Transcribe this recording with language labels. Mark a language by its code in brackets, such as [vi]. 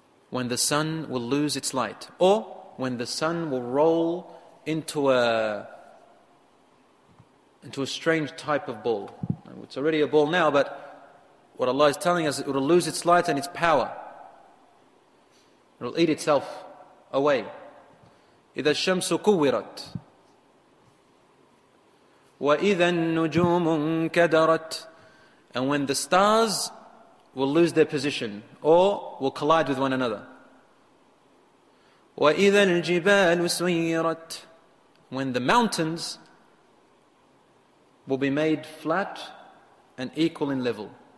[en] When the sun will lose its light, or when the sun will roll into a strange type of ball. It's already a ball now, but what Allah is telling us, it will lose its light and its power. It will eat itself away. [ar] إِذَا الشَّمْسُ كُوِّرَتْ وَإِذَا النُّجُومُ كَدَرَتْ. [en] And when the stars will lose their position or will collide with one another. [ar] وَإِذَا الْجِبَالُ سُيِّرَتْ. [en] When the mountains will be made flat and equal in level.